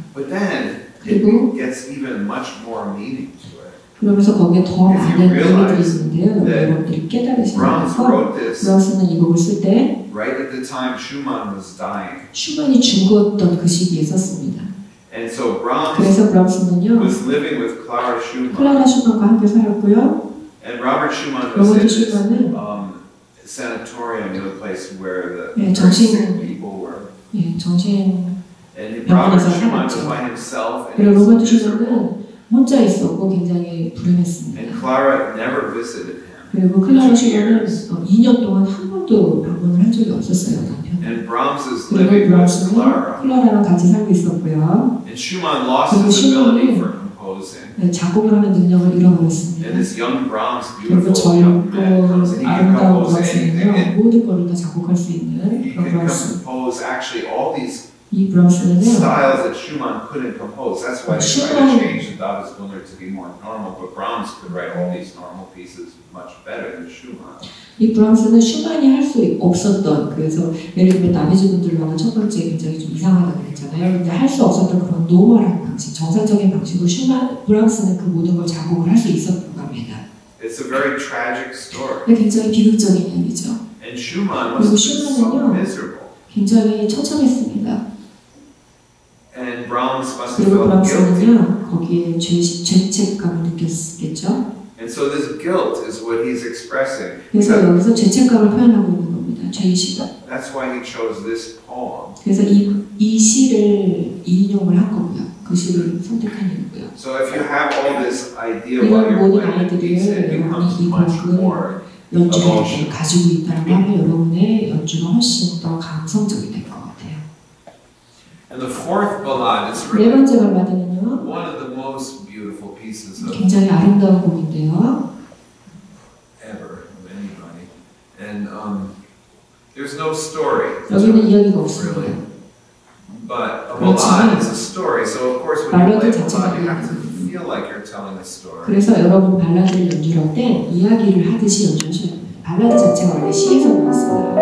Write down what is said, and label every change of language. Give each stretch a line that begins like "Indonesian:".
English: But then it gets even much more meaning to it.
Korean: 그러면서 거기에 더 많은 의미들이 있는데요. 여러분들이 깨달으시면서 브람스는 이 곡을 쓸 때
English: right at the time Schumann was dying.
Korean: 슈만이 죽었던 그 시기에 썼습니다.
English: And so Brahms
Korean: 그래서 브람스는요
English: was living with Clara Schumann.
Korean: 클라라 슈만과 함께 살았고요.
English: And Robert Schumann was in this sanatorium, the place where the
Korean: 예,
English: sick people were.
Korean: 예, 정신
English: And Robert Schumann was by himself.
Korean: 그리고 로버트 슈만은 혼자 있었고 굉장히 불행했습니다.
English: And Clara never visited him.
Korean: 그리고 클라라 씨는 2년 동안 한 번도 방문을 한 적이 없었어요, 남편.
English: And Brahms is living with Clara.
Korean: 클라라랑 같이 살고 있었고요.
English: And Schumann lost his ability for composing.
Korean: 네, 작곡을 하는 능력을 잃어버렸습니다.
English: And this young Brahms, beautiful young man, comes and he can compose anything.
Korean: 다 작곡할 수 있는
English: he can compose actually all these.
Korean: 이 브람스는요.
English: Styles that Schumann couldn't compose. That's why they tried to change the Davis-Willner to be more normal. But Brahms could write all these normal pieces much better than Schumann.
Korean: 이 브람스는 슈만이 할 수 없었던 그래서 예를 들면 다비즈분들과는 첫 번째 굉장히 좀 이상하다 그랬잖아요. 근데 할 수 없었던 그런 노멀한 방식, 정상적인 방식으로 슈만 브람스는 그 모든 걸 작곡을 할 수 있었던 겁니다.
English: It's a very tragic story.
Korean: 굉장히 비극적인 얘기죠.
English: And Schumann was so miserable.
Korean: 굉장히 처참했습니다.
English: And Brahms must have felt guilty.
Korean: 거기에 죄책감을 느꼈겠죠.
English: And so this guilt is what he's expressing.
Korean: 그래서 여기서 죄책감을 표현하고 있는 겁니다. 죄의식이.
English: That's why he chose this poem.
Korean: 그래서 이 시를 인용을 한 거고요. 그 시를 선택한 이유고요.
English: So if you have all this idea about your life, it becomes much more.
Korean: 연주를 가지고 있다면 여러분의 연주가 훨씬 더 감성적이 될 것 같아요.
English: And the fourth ballad is really one of the most beautiful pieces of
Korean: 굉장히 아름다운 곡인데요.
English: Ever of anybody. And there's no story.
Korean: 여기는 이야기가 없어요.
English: Really. But a ballad is a story. So of course when you play a ballad, you have to feel like you're telling a story.
Korean: 그래서 여러분 발라드를 연주할 때 이야기를 하듯이 연주하셔야 돼요. 발라드 자체가 원래 시에서 나왔습니다.